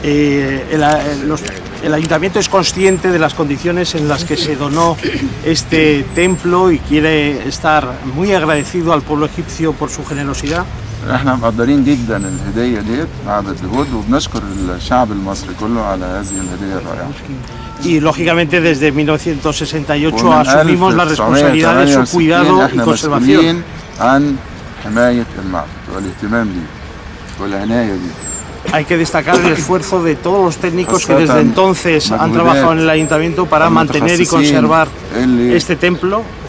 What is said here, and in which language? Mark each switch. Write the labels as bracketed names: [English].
[Spanish] El ayuntamiento es consciente de las condiciones en las que se donó este templo y quiere estar muy agradecido al pueblo egipcio por su generosidad. [Arabic] احنا مقدرين جدا الهدية ديت بعد الجهود وبنشكر الشعب المصري كله على هذه الهدية الرائعة. [Spanish] Y lógicamente desde 1968 asumimos la responsabilidad de su cuidado y conservación. [Arabic] عن حماية المعبد والاهتمام بيه والعناية بيه. [Spanish] Hay que destacar el esfuerzo de todos los técnicos que desde entonces han trabajado en el ayuntamiento para mantener y conservar este templo.